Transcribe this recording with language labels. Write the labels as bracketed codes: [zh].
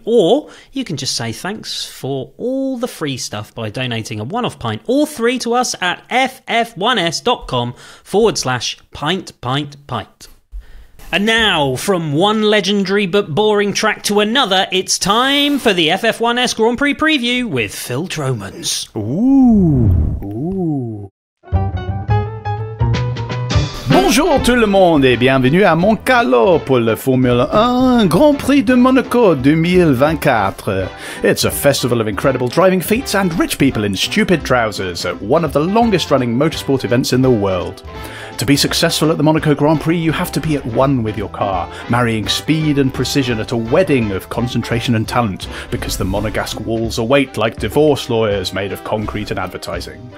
[en] Or you can just say thanks for all the free stuff by donating a one-off pint or three to us at ff1s.com/pint. And now, from one legendary but boring track to another, it's time for the FF1S Grand Prix preview with Phil Tromans. Ooh. Ooh. [fr] Bonjour tout le monde et bienvenue à Monte Carlo pour le Formula 1 Grand Prix de Monaco 2024. [en] It's a festival of incredible driving feats and rich people in stupid trousers at one of the longest running motorsport events in the world. To be successful at the Monaco Grand Prix, you have to be at one with your car, marrying speed and precision at a wedding of concentration and talent, because the Monegasque walls await like divorce lawyers made of concrete and advertising.